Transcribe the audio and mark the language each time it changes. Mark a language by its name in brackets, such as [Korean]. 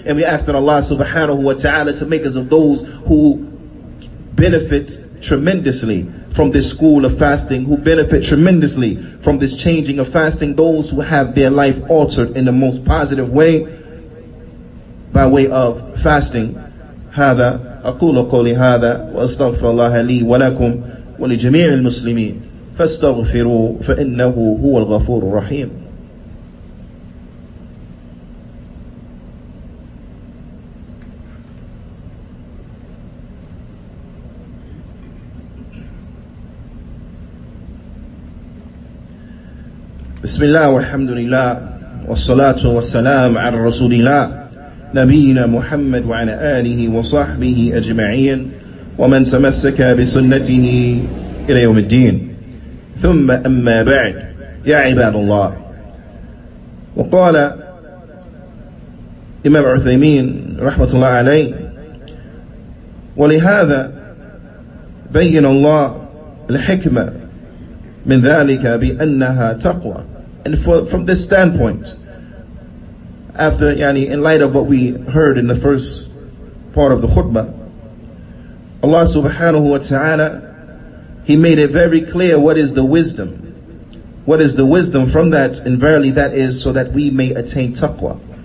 [English] And we ask that Allah subhanahu wa ta'ala to make us of those who benefit tremendously from this school of fasting, who benefit tremendously from this changing of fasting, those who have their life altered in the most positive way by way of fasting. [Arabic] هذا أقول قولي هذا وأستغفر الله لي ولكم ولجميع المسلمين. ف فَاسْتَغْفِرُوا فَإِنَّهُ هُوَ الْغَفُورُ الرَّحِيمُ. بسم الله والحمد لله والصلاة والسلام على رسول الله نبينا محمد وعلى آله وصحبه أجمعين ومن تمسك بسنته إلى يوم الدين ثم أما بعد يا عباد الله. وقال إمام عثيمين رحمة الله عليه ولهذا بين الله الحكمة من ذلك بأنها تقوى. [English] And from this standpoint, in light of what we heard in the first part of the khutbah, Allah subhanahu wa ta'ala, He made it very clear what is the wisdom. What is the wisdom from that? And verily that is so that we may attain taqwa.